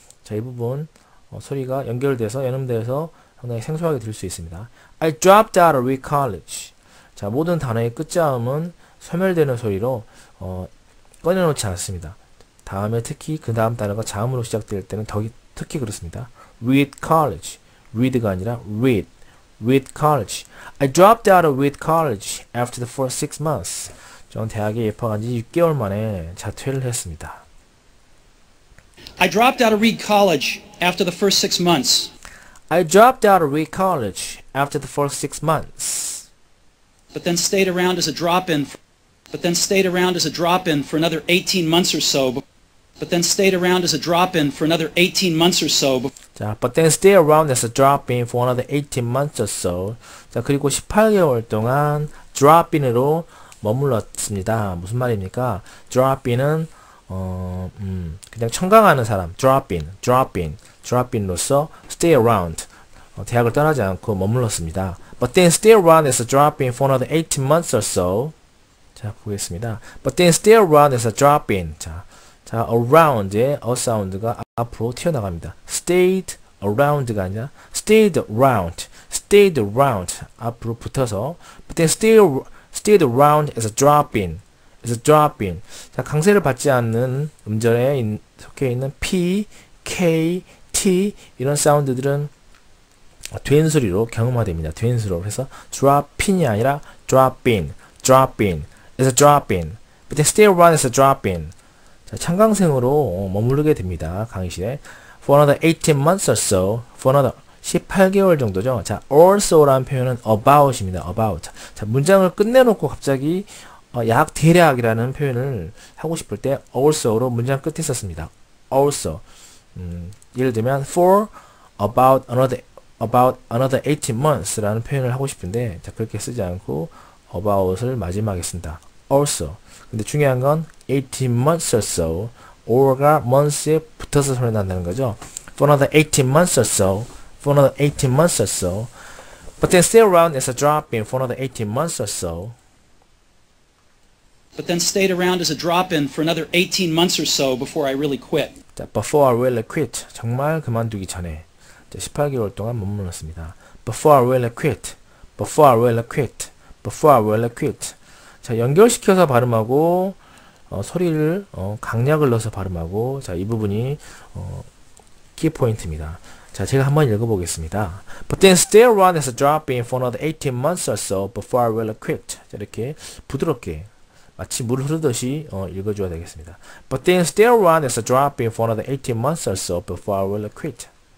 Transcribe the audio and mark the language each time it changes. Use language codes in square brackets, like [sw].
[ko] 자, 이 부분 소리가 연결돼서 연음돼서 상당히 생소하게 들을 수 있습니다. [en] I dropped out of Reed College. [ko] 자, 모든 단어의 끝자음은 소멸되는 소리로 꺼내놓지 않습니다. 다음에 특히 그 다음 단어가 자음으로 시작될 때는 특히 그렇습니다. [en] Reed College. Reed가 [ko] 아니라 [en] Reed. Reed College. I dropped out of Reed College after the first 6 months. [ko] 전 대학에 입학한 지 6개월 만에 자퇴를 했습니다. [en] I dropped out of Reed College after the first 6 months. I dropped out of Reed College after the first 6 months. But then stayed around as a drop-in. But then stayed around as a drop-in for another 18 months or so. But then stayed around as a drop-in for another 18 months or so. 자, but then stay around as a drop-in for another 18 months or so. [ko] 자, 그리고 18개월 동안 drop-in으로 머물렀습니다. 무슨 말입니까? drop-in은 그냥 청강하는 사람. [en] drop-in, drop-in, drop-in으로서 stay around. [ko] 대학을 떠나지 않고 머물렀습니다. [en] But then stay around as a drop-in for another 18 months or so. [ko] 자, 보겠습니다. [en] But then stay around as a drop-in. [ko] 자, around의 a sound가 앞으로 튀어나갑니다. [en] stayed around가 아니라 stayed around, stayed around [ko] 앞으로 붙어서 [en] but then stayed around as a drop-in, as a drop-in. [ko] 자, 강세를 받지 않는 음절에 속해 있는 p, k, t 이런 사운드들은 된소리로 경음화됩니다. 된소리로. 그래서 [en] drop-in이 아니라 drop-in, drop-in, as a drop-in, but then stay around as a drop-in. [ko] 창강생으로 머무르게 됩니다. 강의실에. [en] For another 18 months or so. For another [ko] 18개월 정도죠. 자, also라는 표현은 about입니다. about. 자, 문장을 끝내놓고 갑자기 약 대략이라는 표현을 하고 싶을 때 also로 문장 끝에 썼습니다. also. 예를 들면 [en] for about another 18 months [ko] 라는 표현을 하고 싶은데 자, 그렇게 쓰지 않고 about을 마지막에 쓴다. also. 근데 중요한 건 [en] 18 months or so, [ko] or가 months에 붙어서 소리난다는 거죠. [en] For another 18 months or so, for another 18 months or so, but then stay around as a drop-in for another 18 months or so. But then stayed around as a drop-in for another 18 months or so before I really quit. Before I really quit, [ko] 정말 그만두기 전에 18개월 동안 머물렀습니다. [en] Before I really quit, before I really quit, before I really quit. [ko] 자, 연결시켜서 발음하고 소리를 강약을 넣어서 발음하고 자, 이 부분이 키포인트입니다. 자, 제가 한번 읽어보겠습니다. [en] But then stay around as a drop-in for another 18 months or so before I really quit. [ko] 자, 이렇게 부드럽게 마치 물 흐르듯이 읽어줘야 되겠습니다. [en] But then still run as a drop in for another 18 months or so before I will quit.